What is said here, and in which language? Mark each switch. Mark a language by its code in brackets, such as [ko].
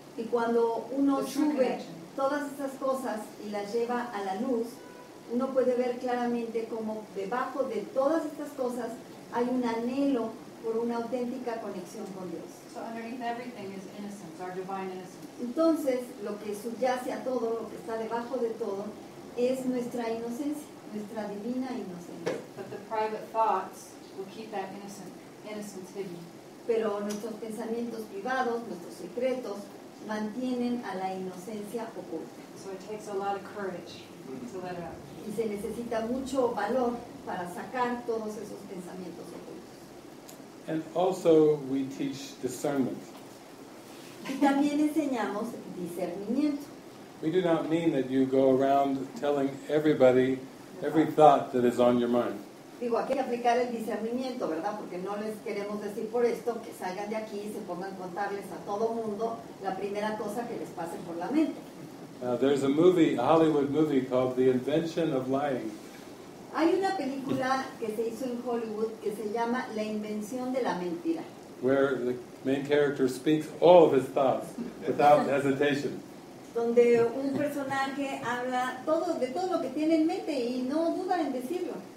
[es] Y cuando uno sube todas estas cosas y las lleva a la luz, uno puede ver claramente cómo debajo de todas estas cosas hay un anhelo por una auténtica conexión con Dios. [en] So underneath everything is innocence, our divine innocence. [es] Entonces, lo que subyace a todo, lo que está debajo de todo, es nuestra inocencia, nuestra divina inocencia. [en] But the private thoughts will keep that innocence hidden. [es] Pero nuestros pensamientos privados, nuestros secretos, mantienen a la inocencia oculta. [en] So it takes a lot of courage to let it out. [es] Y se necesita mucho valor para sacar todos esos pensamientos ocultos. [en] And also we teach discernment. [es] Y también enseñamos discernimiento. [en] We do not mean that you go around telling everybody every thought that is on your mind. [es] Digo, aquí aplicar el discernimiento, ¿verdad? Porque no les queremos decir por esto que salgan de aquí y se pongan a contarles a todo mundo la primera cosa que les pase por la mente. [en] There's a movie, a Hollywood movie called The Invention of Lying. [es] Hay una película que se hizo en Hollywood que se llama La Invención de la Mentira. [en] Where the main character speaks all of his thoughts without hesitation. [es] Donde un personaje habla todo, de todo lo que tiene en mente y no duda en decirlo.